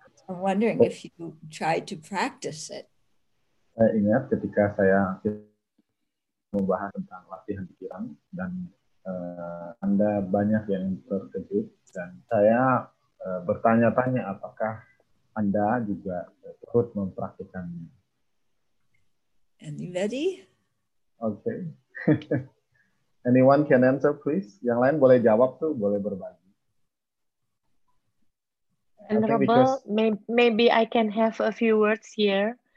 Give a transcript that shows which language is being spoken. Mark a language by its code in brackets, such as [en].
[en] I'm wondering if you tried to practice it. [id] Saya ingat ketika saya membahas tentang latihan pikiran dan Anda banyak yang terkejut dan saya bertanya-tanya apakah Anda juga turut mempraktikkannya. [en] Anybody? Okay. Anyone can answer, please. [id] Yang lain boleh jawab tuh, boleh berbagi. [en] Honorable, maybe I can have a few words here.